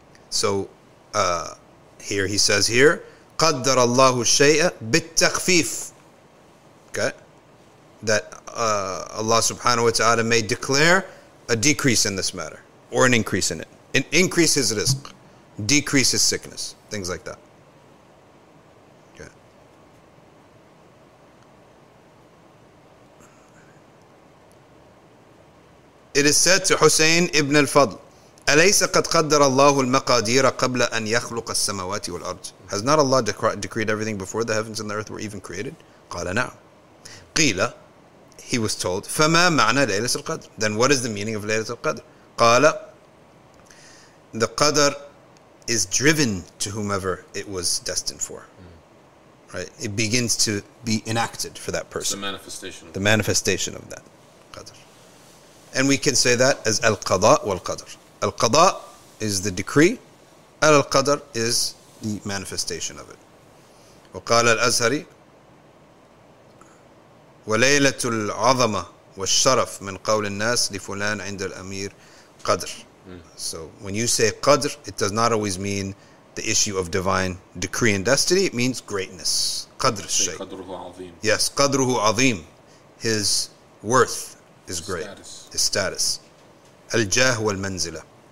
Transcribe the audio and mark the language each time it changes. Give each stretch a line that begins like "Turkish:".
English: So, here he says here,
Arabic: قدر الله الشيء بالتخفيف.
English: Okay? That Allah subhanahu wa ta'ala may declare a decrease in this matter, or an increase in it. An increase his rizq, decrease his sickness, things like that. It is said to Hussein ibn al-Fadl,
Arabic: أَلَيْسَ قَدْ قَدَّرَ اللَّهُ الْمَقَادِيرَ قَبْلَ أَنْ يَخْلُقَ السَّمَوَاتِ وَالْأَرْضِ.
English: Has not Allah decreed everything before the heavens and the earth were even created?
Arabic: قَالَ نَعْمُ. قِيلَ,
English: he was told,
Arabic: فَمَا مَعْنَى لَيْلَةِ الْقَدْرِ?
English: Then what is the meaning of لَيْلَةِ الْقَدْرِ? قَالَ, the qadr is driven to whomever it was destined for. Right? It begins to be enacted for that person. It's the manifestation. The manifestation of that qadr. And we can say that as al-qada wal-qadr. Al-qada is the decree, al-qadr is the manifestation of it.
Arabic: وقال الأزهري وليلة العظمة والشرف من قول الناس لفلان عند الأمير قدر.
English: So when you say قدر, it does not always mean the issue of divine decree and destiny. It means greatness.
Arabic: قدر الشيء. قدره عظيم.
English: Yes,
Arabic: قدره عظيم.
English: His worth is great. Status. His status.
Arabic: الجاه والمنزلة.